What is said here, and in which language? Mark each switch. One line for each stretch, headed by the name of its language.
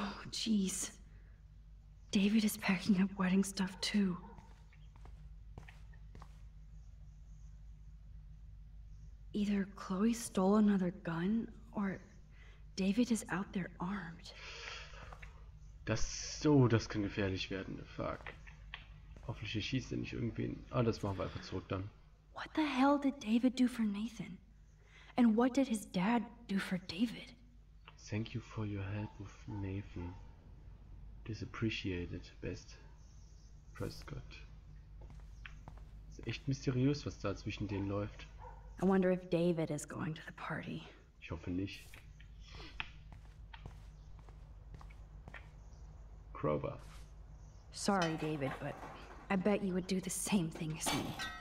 English: Jeez. David is packing up wedding stuff too. Either Chloe stole another gun or David is out there armed.
German: Das so, oh, das kann gefährlich werden. Fuck. Hoffentlich schießt er nicht irgendwen. Ah, das machen wir einfach zurück dann.
English: What the hell did David do for Nathan? And what did his dad do for David? Thank you for your help with Nathan. Disappreciated, best Prescott.
German: Ist echt mysteriös, was da zwischen denen läuft.
English: I wonder if David is going to the party.
German: Ich hoffe nicht.
English: Crowbar. Sorry, David, but I bet you would do the same thing as me.